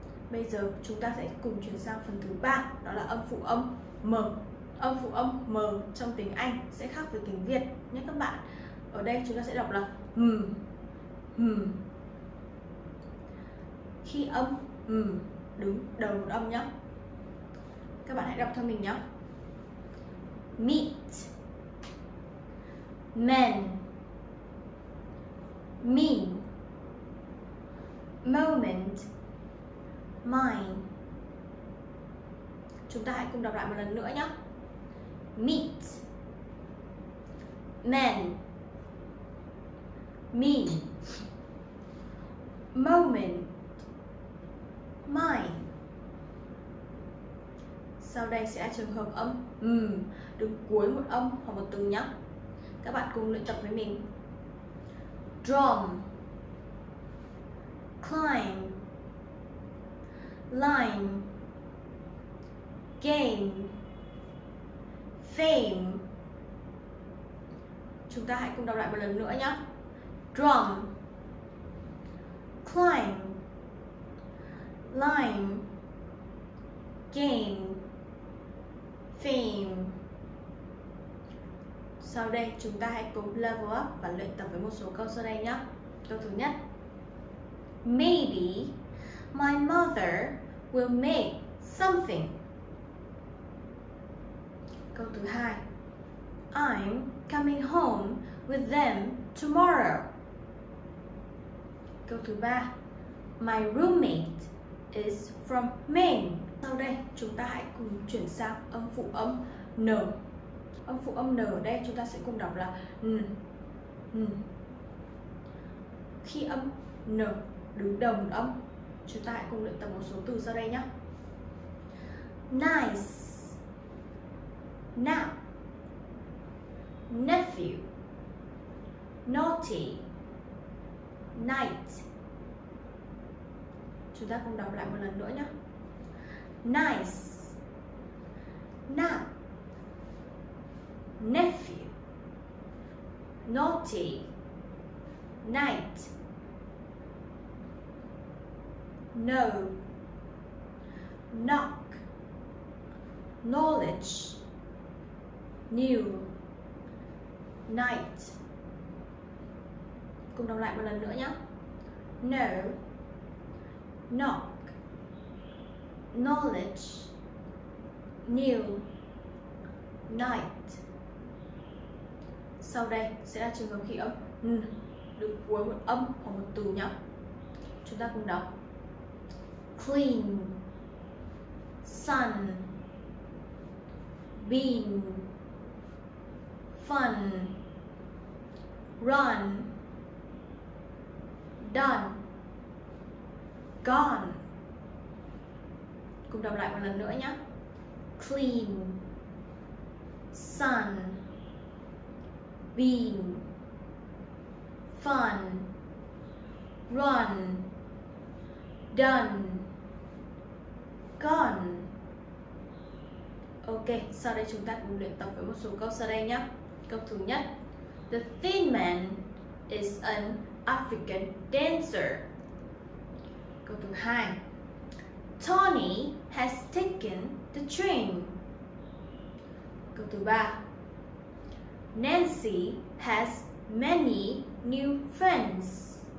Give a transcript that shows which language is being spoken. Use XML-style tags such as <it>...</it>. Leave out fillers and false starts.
<vi>Bây giờ chúng ta sẽ cùng chuyển sang phần thứ ba, đó là âm phụ âm M. Âm phụ âm M trong tiếng Anh sẽ khác với tiếng Việt. Nhé các bạn, Ở đây chúng ta sẽ đọc là hmm. Hmm. Khi âm hmm. đứng đầu một âm nhé. Các bạn hãy đọc theo mình nhé.</vi> <en>Meet, men, mean, moment, mine.</en> <vi>Chúng ta hãy cùng đọc lại một lần nữa nhé.</vi> <en>Meet, men, mean, moment, mine.</en> <vi>Sau đây sẽ là trường hợp âm đứng cuối một âm hoặc một từ nhé. Các bạn cùng luyện tập với mình.</vi> <en>Drum, climb, lime, game, fame.</en> <vi>Chúng ta hãy cùng đọc lại một lần nữa nhé.</vi> <en>Drum, climb, lime, game, fame.</en> <vi>Sau đây chúng ta hãy cùng</vi> <en>level up</en> <vi>và luyện tập với một số câu sau đây nhé. Câu thứ nhất.</vi> <en>Maybe my mother will make something.</en> <vi>Câu thứ hai.</vi> <en>I'm coming home with them tomorrow.</en> <vi>Câu thứ ba.</vi> <en>My roommate is from Maine.</en> <vi>Sau đây chúng ta hãy cùng chuyển sang âm phụ âm N. Âm phụ âm N ở đây chúng ta sẽ cùng đọc là N. Khi âm N đứng đầu một âm, chúng ta hãy cùng luyện tập một số từ sau đây nhé.</vi> <en>Nice, nap, nephew, naughty, night.</en> <vi>Chúng ta cùng đọc lại một lần nữa nhé.</vi> <en>Nice, nap, nephew, naughty, night. No, knock, knowledge, new, night.</en> <vi>Cùng đọc lại một lần nữa nhé.</vi> <en>No, knock, knowledge, new, night.</en> <vi>Sau đây sẽ là trường hợp khi âm N được cuối một âm hoặc một từ nhé. Chúng ta cùng đọc.</vi> <en>Clean, sun, beam, fun, run, done, gone.</en> <vi>Cùng đọc lại một lần nữa nhé.</vi> <en>Clean, sun, beam, fun, run, done, gone.</en> <vi>Ok, sau đây chúng ta cùng luyện tập với một số câu sau đây nhé. Câu thứ nhất.</vi> <en>The thin man is an African dancer.</en> <vi>Câu thứ hai.</vi> <en>Tony has taken the train.</en> <vi>Câu thứ ba.</vi> <en>Nancy has many new friends.</en>